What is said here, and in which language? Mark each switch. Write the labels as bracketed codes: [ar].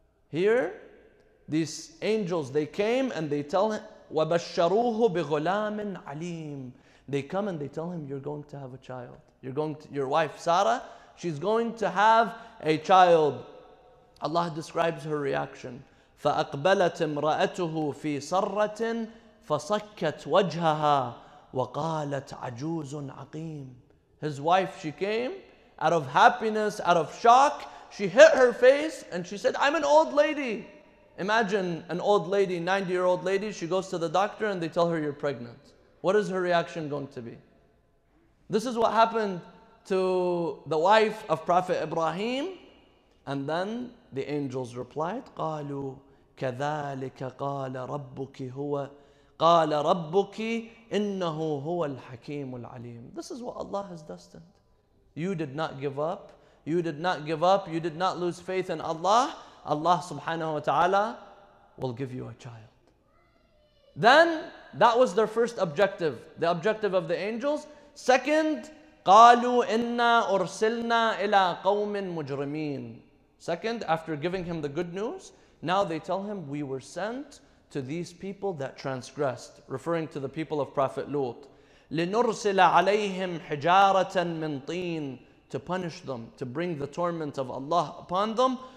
[en] Here, these angels, they came and they tell him, [ar] وَبَشَّرُوهُ بِغُلَامٍ عَلِيمٍ. [en] They come and they tell him, you're going to have a child. Your wife, Sarah, she's going to have a child. Allah describes her reaction. [ar] فأقبلت امرأته في صرة فصكت وجهها وقالت عجوز عقيم. [en] His wife, she came out of happiness, out of shock. She hit her face and she said, I'm an old lady. Imagine an old lady, 90-year-old lady, she goes to the doctor and they tell her you're pregnant. What is her reaction going to be? This is what happened to the wife of Prophet Ibrahim. And then the angels replied, [ar] قَالُوا كَذَلِكَ قَالَ رَبُّكِ هُوَ قَالَ رَبُّكِ إِنَّهُ هُوَ الْحَكِيمُ الْعَلِيمُ. [en] This is what Allah has destined. You did not give up. You did not give up. You did not lose faith in Allah. Allah subhanahu wa ta'ala will give you a child. Then that was their first objective, the objective of the angels. Second, [ar] قَالُوا إِنَّا أُرْسِلْنَا إِلَىٰ قَوْمٍ مُجْرِمِينَ. [en] Second, after giving him the good news, now they tell him, we were sent to these people that transgressed, referring to the people of Prophet Lut. [ar] لِنُرْسِلَ عَلَيْهِمْ حِجَارَةً مِنْ طِينَ. [en] To punish them, to bring the torment of Allah upon them.